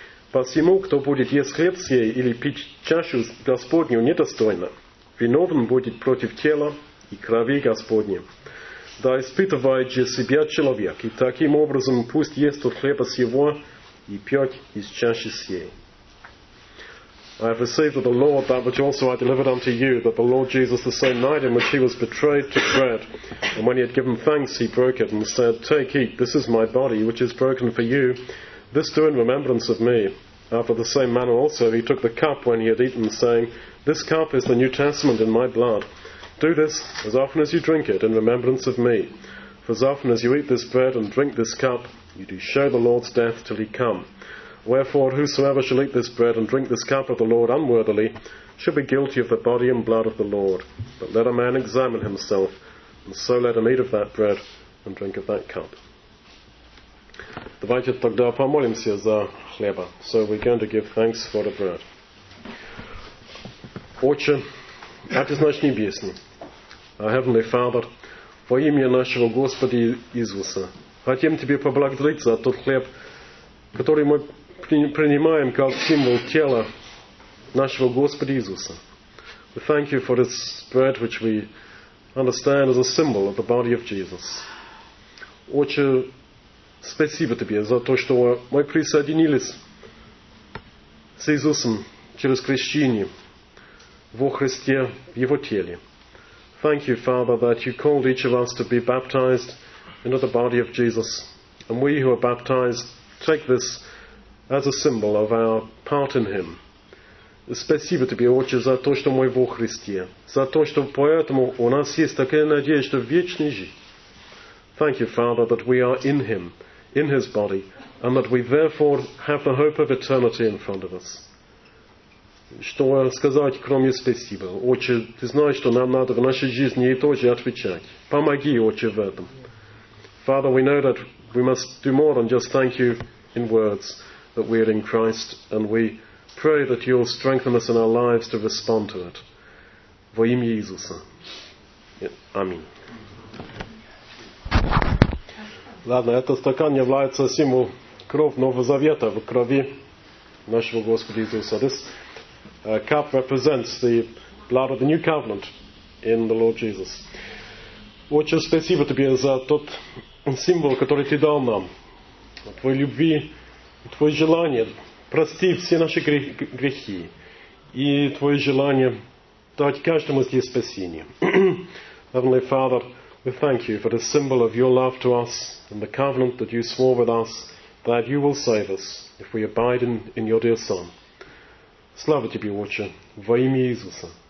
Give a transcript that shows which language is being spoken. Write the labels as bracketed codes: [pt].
[ru] Посему, кто будет есть хлеб сей или пить чашу Господню недостойно, виновен будет против тела и крови Господней. Да испытывает же себя человек, и таким образом пусть ест от хлеба сего, и пьет из чаши сей. [en] I have received of the Lord that which also I delivered unto you, that the Lord Jesus the same night in which he was betrayed took bread, and when he had given thanks, he broke it, and said, take, eat, this is my body, which is broken for you. This do in remembrance of me. After the same manner also he took the cup when he had eaten, saying, this cup is the New Testament in my blood. Do this as often as you drink it in remembrance of me. For as often as you eat this bread and drink this cup, you do show the Lord's death till he come. Wherefore, whosoever shall eat this bread and drink this cup of the Lord unworthily, shall be guilty of the body and blood of the Lord. But let a man examine himself, so let him eat of that bread and drink of that cup. [ru] Давайте тогда помолимся за хлеба. [en] So we're going to give thanks for the bread. [ru] Отче, Отец наш небесный, [en] our Heavenly Father, [ru] во имя нашего Господа Иисуса, хотим Тебе поблагодарить за тот хлеб, который мы принимаем как символ тела нашего Господа Иисуса. [en] We thank You for this bread which we understand as a symbol of the body of Jesus. [ru] Отче, спасибо Тебе за то, что мы присоединились с Иисусом через крещение во Христе, в Его теле. [en] Thank You, Father, that You called each of us to be baptized into the body of Jesus. And we who are baptized take this as a symbol of our part in Him. [ru] Спасибо Тебе, Отче, за то, что мы во Христе, за то, что поэтому у нас есть такая надежда в вечной жизни. [en] Thank You, Father, that we are in Him, in His body, and that we therefore have the hope of eternity in front of us. [ru] Что сказать, кроме спасибо? Отче, Ты знаешь, что нам надо в нашей жизни и тоже отвечать. Помоги, Отче, в этом. [en] Father, we know that we must do more than just thank You in words, that we are in Christ, and we pray that You'll strengthen us in our lives to respond to it. [ru] Во имя Иисуса. Аминь. Ладно, этот стакан является символом крови Нового Завета, в крови нашего Господа Иисуса. [en] This cup represents the blood of the New Covenant in the Lord Jesus. [ru] Очень спасибо Тебе за тот символ, который Ты дал нам. Твоей любви, Твое желание прости все наши грехи и Твое желание дать каждому здесь спасение. [en] Heavenly Father, we thank You for the symbol of Your love to us and the covenant that You swore with us that You will save us if we abide in Your dear Son. [ru] Слава Тебе, Отче, во имя Иисуса.